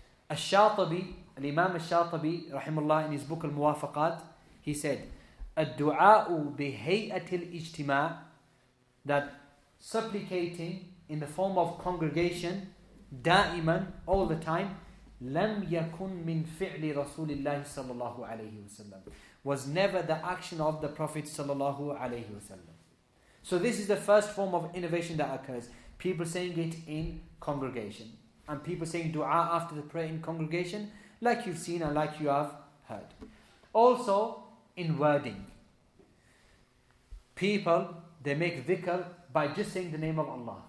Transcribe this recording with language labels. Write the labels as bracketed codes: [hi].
[en] الشاطبي, Imam al-Shatabi, rahimullah, in his book Al-Muwafaqat, he said, [ar] الدُّعَاءُ بِهَيْئَةِ الْإِجْتِمَاءِ, [en] that supplicating in the form of congregation, da'iman, all the time, [ar] لم يكن من فعل رسول الله صلى الله عليه وسلم. [en] Was never the action of the Prophet [ar] صلى الله عليه وسلم. [en] So this is the first form of innovation that occurs. People saying it in congregation. And people saying dua after the prayer in congregation, like you've seen and like you have heard. Also, in wording. People, they make dhikr by just saying the name of Allah.